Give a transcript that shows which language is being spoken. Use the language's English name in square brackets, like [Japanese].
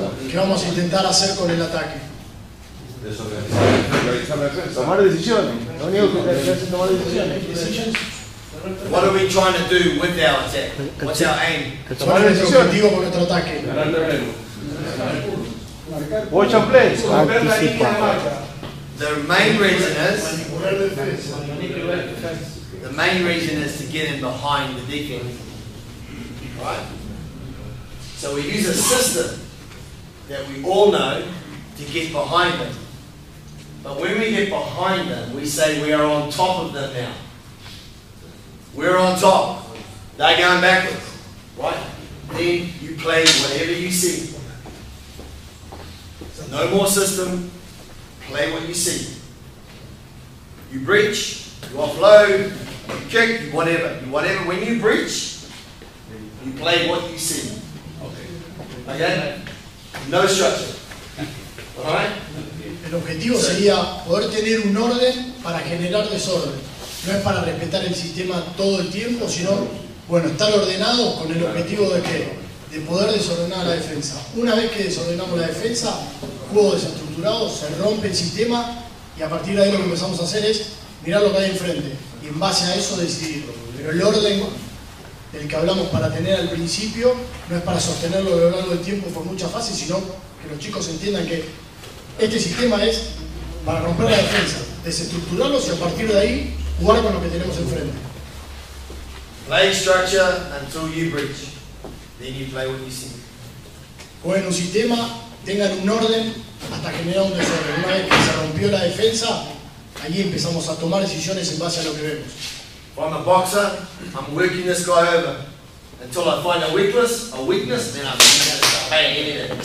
[Spanish] ¿Qué vamos a intentar hacer con el ataque? Tomar decisiones. Lo único que hay que hacer es tomar decisiones. [English] What are we trying to do with our attack? What's our aim? [Spanish] Tomar decisiones. Digo con nuestro ataque. [English] Watch your place. The main reason is to get in behind the defense. Right? So we use a system that we all know to get behind them. But when we get behind them, we say we are on top of them now. We're on top. They're going backwards. Right? Then you play whatever you see. No more system, play what you see. You breach, you offload, you kick, whatever. When you breach, you play what you see. Okay? No structure. Alright? [Spanish] El objetivo sería poder tener un orden para generar desorden. No es para respetar el sistema todo el tiempo, sino, bueno, estar ordenado con el objetivo de que de poder desordenar la defensa. Una vez que desordenamos la defensa, juego desestructurado, se rompe el sistema y a partir de ahí lo que empezamos a hacer es mirar lo que hay enfrente y en base a eso decidirlo. Pero el orden del que hablamos para tener al principio no es para sostenerlo a lo largo del tiempo por muchas fases, sino que los chicos entiendan que este sistema es para romper la defensa, desestructurarlos y a partir de ahí jugar con lo que tenemos enfrente. [English] Play structure until you bridge, then you play what you see. [Spanish] Jueguen un sistema, tengan un orden hasta generar un desorden. Una vez que se rompió la defensa, ahí empezamos a tomar decisiones en base a lo que vemos. [English] From a boxer, I'm working this guy over until I find a weakness, then I'm going to pay him in it.